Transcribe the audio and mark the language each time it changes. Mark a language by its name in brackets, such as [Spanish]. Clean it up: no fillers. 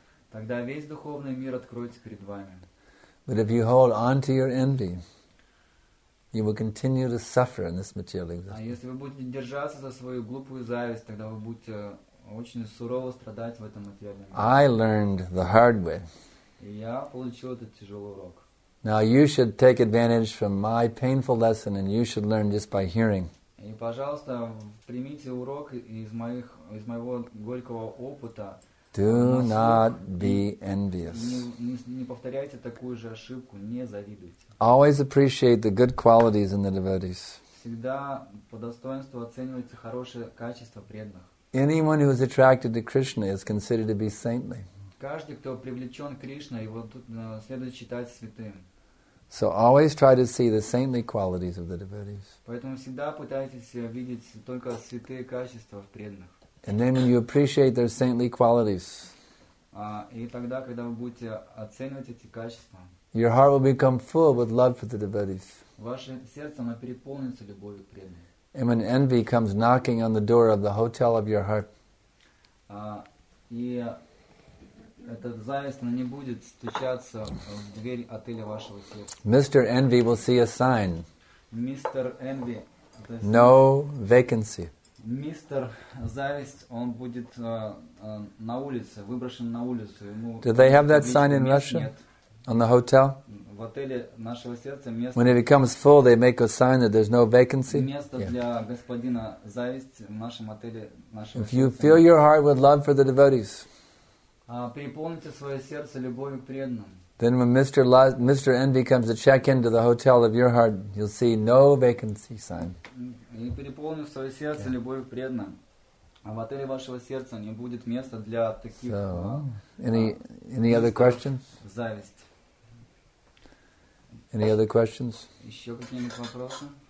[Russian] Тогда весь духовный мир откроется перед вами. [English] But if you hold on to your envy, you will continue to suffer in this material existence. [Russian] А если вы будете держаться за свою глупую зависть, тогда вы будете очень сурово страдать в этом материале. [English] I learned the hard way. [Russian] Я получил этот тяжелый урок. [English] Now you should take advantage from my painful lesson, and you should learn just by hearing. [Russian] И пожалуйста, примите урок из моего горького опыта. [English] Do not be envious. [Russian] Не повторяйте такую же ошибку, не завидуйте. [English] Always appreciate the good qualities in the devotees. [Russian] Всегда по достоинству оценивайте хорошие качества преданных. [English] Anyone who is attracted to Krishna is considered to be saintly. [Russian] Каждый, кто привлечен к Кришне, его следует считать святым. [English] So always try to see the saintly qualities of the devotees. [Russian] Поэтому всегда пытайтесь видеть только святые качества в преданных. [English] And then when you appreciate their saintly qualities, [Russian] и тогда, когда вы будете оценивать эти качества, [English] your heart will become full with love for the devotees. [Russian] Ваше сердце наполнится любовью к преданным. [English] And when envy comes knocking on the door of the hotel of your heart, [Russian] и эта зависть, она не будет стучаться в дверь отеля вашего сердца. [English] Mr. Envy will see a sign. Mr. Envy. No vacancy. [Russian] Мистер зависть, он будет на улице, выброшен на улицу. [English] Do they have that sign in Russia? On the hotel? [Russian] В отеле нашего сердца место. [English] When it becomes full, they make a sign that there's no vacancy. [Russian] Место для господина зависть в нашем отеле нашего. [English] If you fill your heart with love for the devotees, [Russian] переполните свое сердце любовью к преданным. [English] Then when Mr. Envy comes to check into the hotel of your heart, you'll see no vacancy sign. [Russian] И переполни свое сердце любовью к преданным. А в отеле вашего сердца не будет места для таких. [English] So, any other questions? [Russian] Зависть. [English] Any other questions? [Russian] Еще какие-нибудь вопросы?